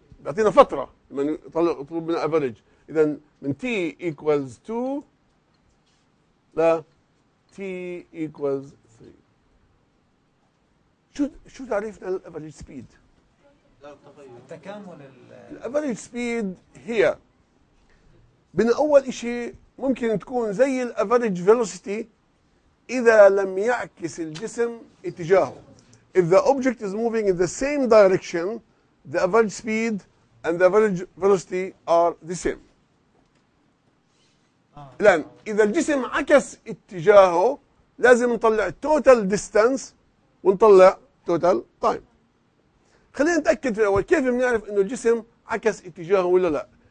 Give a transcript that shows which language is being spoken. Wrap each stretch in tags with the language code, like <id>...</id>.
<ar>بيعطينا فتره لما يطلب منا افرج. اذا من t equals 2 ل t equals 3. شو تعريفنا للافرج سبيد؟ التكامل. الافرج سبيد هي من اول شيء ممكن تكون زي الافرج فيلوسيتي اذا لم يعكس الجسم اتجاهه.</ar> <en>If the object is moving in the same direction, the average speed and the average velocity are the same.</en> <ar>الآن إذا الجسم عكس اتجاهه لازم نطلع total distance ونطلع total time. خلينا نتأكد الأول كيف بنعرف إنه الجسم عكس اتجاهه ولا لا.</ar>